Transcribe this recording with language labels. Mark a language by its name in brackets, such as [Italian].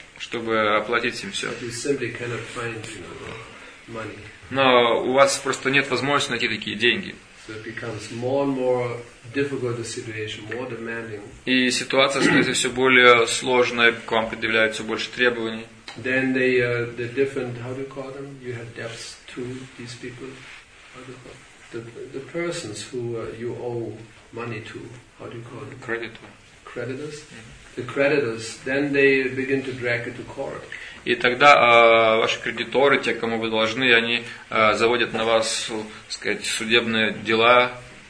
[Russian] Чтобы оплатить им все. [English] But you simply cannot find, money. [Russian] Но у вас просто нет возможности найти такие деньги. [English] So it becomes more and more difficult a situation, more demanding. [Russian] И ситуация становится все более сложной, к вам предъявляют все больше требований. [English] Then they the different, how do you call them? You have debts to these people. How do you call them? The persons who you owe money to, how do you call them? Creditors. Mm-hmm. The creditors. Then they begin to drag it to court. [Russian] И тогда ваши кредиторы, те, кому вы должны, они заводят на вас, сказать, судебные дела.